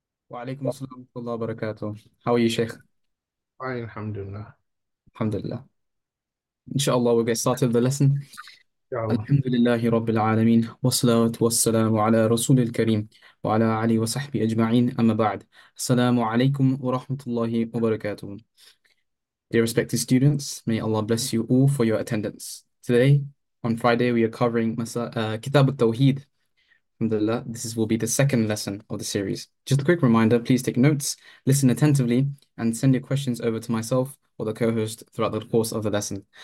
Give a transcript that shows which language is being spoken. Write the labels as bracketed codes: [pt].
[ar] وعليكم السلام ورحمة الله وبركاته. [en] How are you, شيخ؟ [ar] الحمد لله. الحمد لله. إن شاء الله [en] we're going to start the lesson. [ar] يا الله. الحمد لله رب العالمين والصلاة والسلام على رسول الكريم وعلى آله وصحبه أجمعين. أما بعد، السلام عليكم ورحمة الله وبركاته. [en] Dear respected students, may Allah bless you all for your attendance. Today, on Friday, we are covering Kitab al-Tawheed. Alhamdulillah, this will be the second lesson of the series. Just a quick reminder, please take notes, listen attentively, and send your questions over to myself or the co-host throughout the course of the lesson.